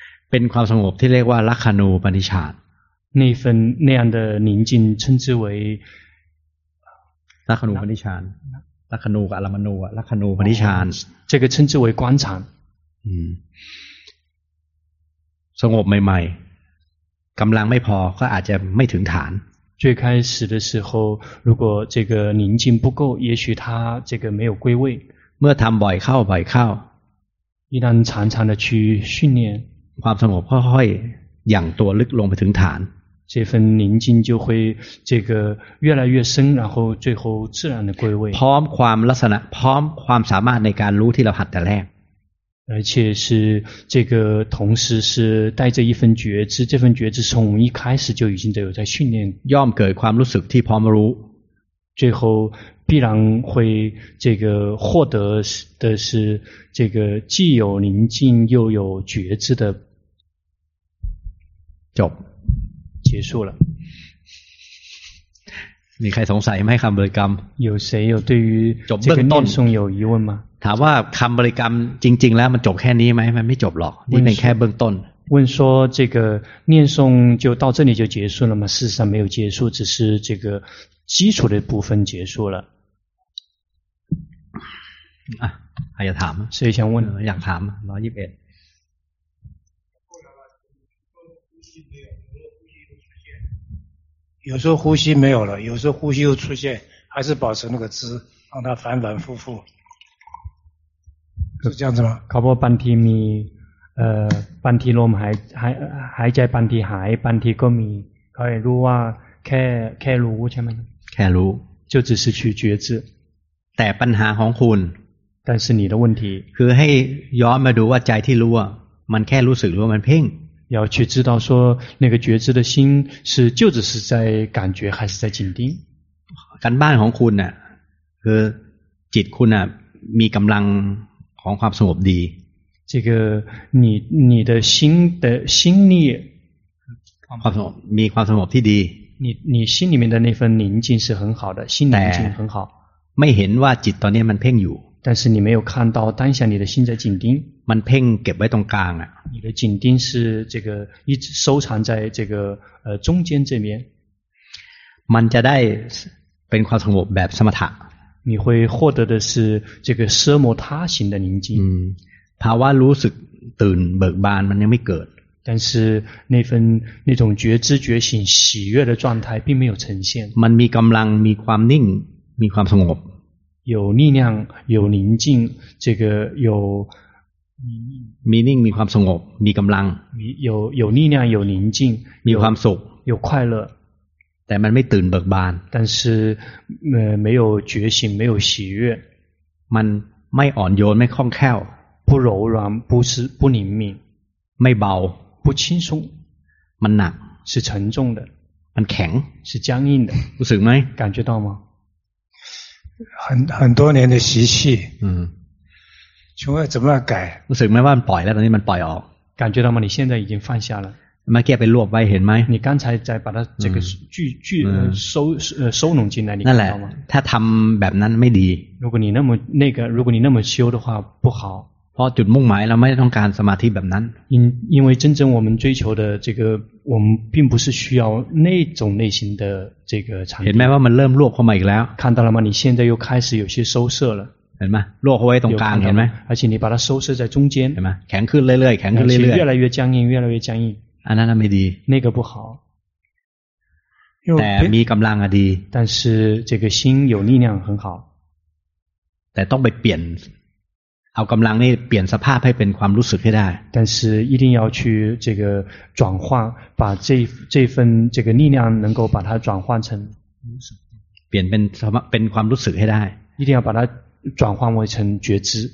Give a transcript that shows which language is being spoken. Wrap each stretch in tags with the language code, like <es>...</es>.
<th>เป็นความสงบที่เรียกว่าลักขณูปนิชฌาน</th> <zh>那份那样的宁静称之为</zh> <th>ลักขณูปนิชฌานลักขณูกับอรมณูลักขณูปนิชฌาน</th> <zh>这个称之为观禅</zh> <th>สงบใหม่ๆกำลังไม่พอก็อาจจะไม่ถึงฐาน</th> <zh>最开始的时候如果这个宁静不够也许他这个没有归位</zh> <th>เมื่อทำบ่อยเข้าบ่อยเข้า</th> <zh>一旦常常的去训练</zh> <th>ความสงบค่อยๆหยั่งตัวลึกลงไปถึงฐาน</th> <zh>这份宁静就会这个越来越深然后最后自然的归位</zh> <th>พร้อมความลักษณะพร้อมความสามารถในการรู้ที่เราหัดแต่แรก</th> <zh>而且是这个同时是带着一份觉知这份觉知从一开始就已经有在训练</zh> <th>ย่อมเกิดความรู้สึกที่พร้อมรู้</th> <zh>最后必然会这个获得的是这个既有宁静又有觉知的</zh> <th>จบ</th> <zh>结束了</zh> <th>มีใครสงสัยไหมคำบริกรรม</th> <zh>有谁有对于</zh> <th>จบเบื้องต้น</th> <zh>诵有疑问吗</zh> <th>ถามว่าคำบริกรรมจริงๆแล้วมันจบแค่นี้ไหมมันไม่จบหรอกนี่เป็นแค่เบื้องต้น</th> <zh>问说这个念诵就到这里就结束了吗事实上没有结束只是这个基础的部分结束了啊还要</zh> <th>ถาม</th> <zh>谁想问</zh> <th>อยากถาม121</th> <zh>有时候呼吸没有了有时候呼吸又出现还是保持那个知让它反反复复是这样子吗</zh> <th>ครับว่าบางทีมีบางทีลมหายใจบางทีหายบางทีก็มีเขาเองรู้ว่าแค่รู้ใช่ไหม แค่รู้</th> <zh>就只是去觉知</zh> <th>แต่ปัญหาของคุณ</th> <zh>但是你的问题</zh> <th>คือให้ย้อนมาดูว่าใจที่รู้อ่ะมันแค่รู้สึกหรือว่ามันเพ่ง</th> <zh>要去知道说那个觉知的心是就只是在感觉还是在紧盯</zh> <th>การบ้านของคุณน่ะคือจิตคุณน่ะมีกำลังของความสงบดี</th> <zh>这个你的心的心力</zh> <th>ความสงบมีความสงบที่ดี</th> <zh>你心里面的那份宁静是很好的心宁静很好</zh> <th>ไม่เห็นว่าจิตตอนนี้มันเพ่งอยู่</th> <zh>但是你没有看到当下你的心在紧盯</zh> <th>มันเพ่งเก็บไว้ตรงกลางอ่ะ</th> <zh>你的紧盯是这个一直收藏在这个中间这边</zh> <th>มันจะได้เป็นความสงบแบบสมถะ</th> <zh>你会获得的是这个奢摩他型的宁静</zh> <th>ภาวะรู้สึกตื่นเบิกบานมันยังไม่เกิด</th> <zh>但是那份那种觉知觉醒喜悦的状态并没有呈现。</zh> <th>มันมีกำลังมีความนิ่งมีความสงบ</th> <zh>有力量有宁静这个有</zh> <th>มีนิ่งมีความสงบมีกำลัง</th> <zh>有力量有宁静</zh> <th>มีความสุข</th> <zh>有快乐</zh> <th>แต่มันไม่ตื่นเบิกบาน</th> <zh>但是没有觉醒没有喜悦</zh> <th>มันไม่อ่อนโยนไม่คล่องแคล่ว</th> <zh>不柔软不灵敏</zh> <th>ไม่เบา</th> <zh>不轻松</zh> <th>มันหนัก</th> <zh>是沉重的</zh> <th>มันแข็ง</th> <zh>是僵硬的</zh> <th>รู้สึกไหม</th> <zh>感觉到吗很多年的习气请问怎么改</zh> <th>รู้สึกไหมว่ามันปล่อยแล้วตอนนี้มันปล่อยออก</th> <zh>感觉到吗你现在已经放下了</zh> <th>มาแก้ไปรวบไว้เห็นไหม</th> <zh>你刚才在把它这个聚收拢进来你看到吗</zh> <th>ถ้าทำแบบนั้นไม่ดี</th> <zh>如果你那么那个如果你那么修的话不好</zh> <th>เพราะจุดมุ่งหมายเราไม่ต้องการสมาธิแบบนั้น</th> <zh>因为真正我们追求的这个我们并不是需要那种类型的这个禅定</zh> <th>เห็นไหมว่ามันเริ่มรวบเข้ามาอีกแล้ว</th> <zh>看到了吗你现在又开始有些收摄了</zh> <th>เห็นไหมรวบเข้าไว้ตรงกลางเห็นไหม</th> <zh>而且你把它收摄在中间</zh> <th>เห็นไหมแข็งขึ้นเรื่อยๆแข็งขึ้นเรื่อยๆ</th> <zh>越来越僵硬越来越僵硬</zh> <th>อันนั้นไม่ดี</th> <zh>那个不好</zh> <th>แต่มีกำลังอะดี</th> <zh>但是这个心有力量很好</zh> <th>แต่ต้องไปเปลี่ยนเอากำลังนี่เปลี่ยนสภาพให้เป็นความรู้สึกให้ได้</th> <zh>但是一定要去这个转换把这份这个力量能够把它转换成</zh> <th>เปลี่ยนเป็นความรู้สึกให้ได้</th> <zh>一定要把它转换为成觉知</zh>